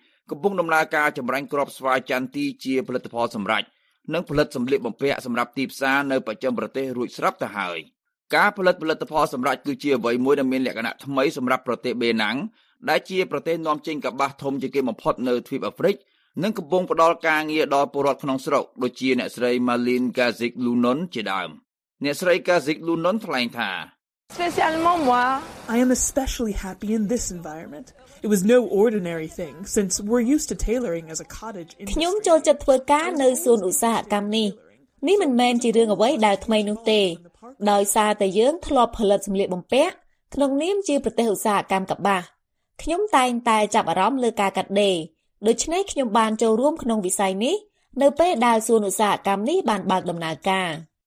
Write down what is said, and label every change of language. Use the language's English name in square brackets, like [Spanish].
[Khmer] កំពុងដំណើរការចម្រាញ់គ្រាប់ស្វាយចន្ទទីជាផលិតផលសម្រេចនិងផលិតសម្ភារបំពាក់សម្រាប់ទីផ្សារនៅបច្ចឹមប្រទេសរួចស្រាប់ទៅហើយការផលិតផលិតផលសម្រេចគឺជាអ្វីមួយដែលមានលក្ខណៈថ្មីសម្រាប់ប្រទេសបេណាំងដែលជាប្រទេសនាំចេញកប្បាសធំជាងគេបំផុតនៅទ្វីបអាហ្វ្រិកនិងកំពុងផ្តល់ការងារដល់ពលរដ្ឋក្នុងស្រុកដូចជាអ្នកស្រី Malin Gazik Lunon ជាដើមអ្នកស្រី Gazik Lunon ថ្លែងថា [French] Spécialement moi. [English] I am especially happy in this environment. It was no ordinary thing since we're used to tailoring as a cottage industry. [Khmer] ខ្ញុំចូលចិត្តធ្វើការនៅសួនឧស្សាហកម្មនេះ។នេះមិនមែនជារឿងអ្វីដែលថ្មីនោះទេ។ដោយសារតែយើងធ្លាប់ផលិតសម្ភារបំពាក់ក្នុងនាមជាប្រទេសឧស្សាហកម្មកប្បាស។ខ្ញុំតែងតែចាប់អារម្មណ៍លើការកាត់ដេរ។ដូច្នេះខ្ញុំបានចូលរួមក្នុងវិស័យនេះនៅពេលដែលសួនឧស្សាហកម្មនេះបានបើកដំណើរការ។